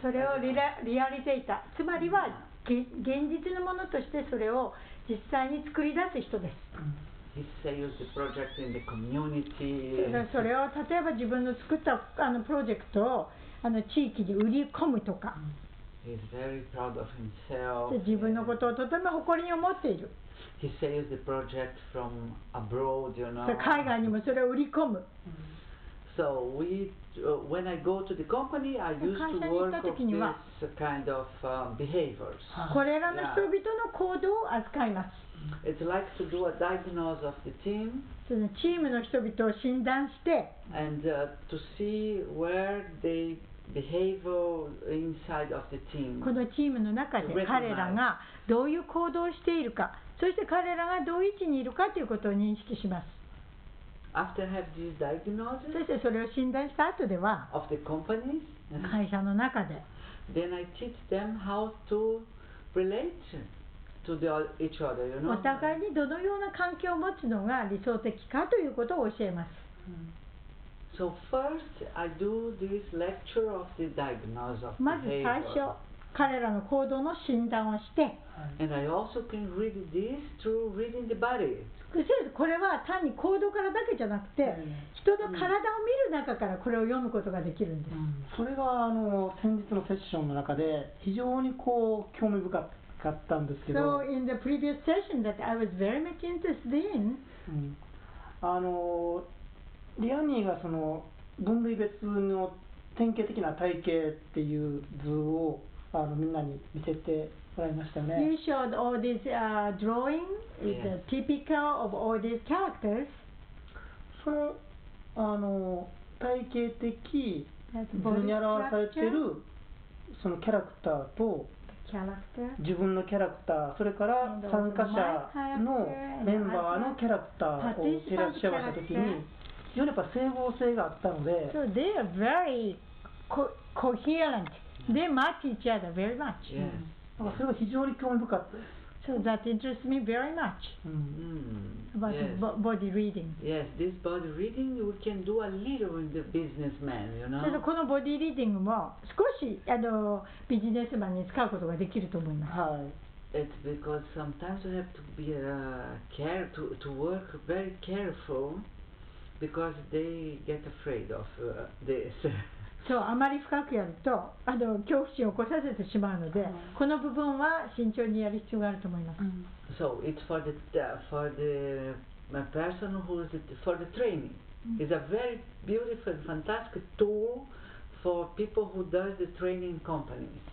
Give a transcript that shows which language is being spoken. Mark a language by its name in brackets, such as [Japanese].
[Japanese] それをリアリゼイター。つまりは、現実のものとしてそれを実際に作り出す人です。 [English] He sells the project in the community. [Japanese] それを例えば自分の作ったプロジェクトを地域に売り込むとか。 [English] He's very proud of himself. [Japanese] 自分のことをとても誇りに思っている。 [English] He sells the project from abroad, you know. [Japanese] 海外にもそれを売り込む。 [English] So we, when I go to the company, I used to work with this kind of behaviors. [Japanese] これらの人々の行動を扱います。 [English] It's like to do a diagnosis of the team. [Japanese] そのチームの人々を診断して。 [English] And to see where they. Behavior inside of the team. [Japanese] このチームの中で彼らがどういう行動をしているか、そして彼らがどういう位置にいるかということを認識します。 [English] After have this diagnosis, [Japanese] そしてそれを診断した後では [English] of the company, [Japanese] 会社の中で [English] then I teach them how to relate to the each other, you know? [Japanese] お互いにどのような関係を持つのが理想的かということを教えます。 [English] So first, I do this lecture of the diagnosis of behavior. [Japanese] まず最初、彼らの行動の診断をして。 [English] And I also can read this through reading the body. [Japanese] これは単に行動からだけじゃなくて、人の体を見る中からこれを読むことができるんです。それがあの先日のセッションの中で非常にこう興味深かったんですけど。 [English] So in the previous session that I was very much interested in, [Japanese] あのリアニーがその分類別の典型的な体型っていう図をあのみんなに見せて。 [English] He showed all these drawing is the typical of all these characters. [Japanese] そのあの体系的図に表されているそのキャラクターと自分のキャラクター、それから参加者のメンバーのキャラクターを照らし合わせたときに、よりやっぱ整合性があったので、 [English] So they are very coherent. They match each other very much. Yes. [Japanese] それは非常に興味深かったです。 [English] So that interests me very much. About body reading. Yes, this body reading we can do a little in the businessman, you know. [Japanese] So このボディリーディングも少しあのビジネスマンに使うことができると思います。はい。 [English] It's because sometimes you have to be to work very careful because they get afraid of this. [Japanese] そう、あまり深くやるとあの恐怖心を起こさせてしまうので、この部分は慎重にやる必要があると思います。 [English] So it's for the person who is for the training. It's a very beautiful, fantastic tool for people who does the training companies.